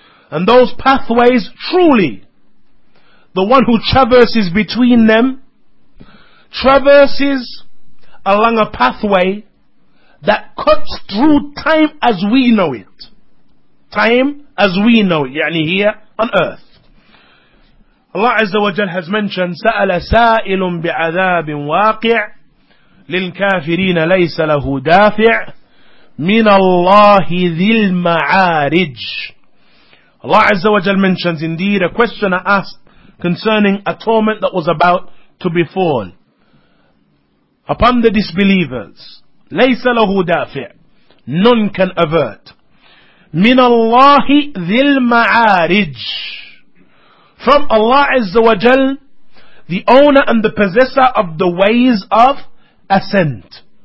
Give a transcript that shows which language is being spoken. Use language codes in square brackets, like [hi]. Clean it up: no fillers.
[en] And those pathways, truly, the one who traverses between them, traverses along a pathway that cuts through time as we know it. Time as we know it, yani here on earth. Allah Azza wa Jal has mentioned, [ar] سَأَلَ سَائِلٌ بِعَذَابٍ وَاقِعٍ لِلْكَافِرِينَ لَيْسَ لَهُ دَافِعٍ مِنَ اللَّهِ ذِي الْمَعَارِجِ. [en] Allah Azza wa Jal mentions, indeed, a questioner asked concerning a torment that was about to befall upon the disbelievers. [ar] لَيْسَ لَهُ دَافِعٍ, [en] none can avert. [ar] مِنَ اللَّهِ ذِي الْمَعَارِجِ, [en] from Allah Azza wa Jal, the owner and the possessor of the ways of ascent.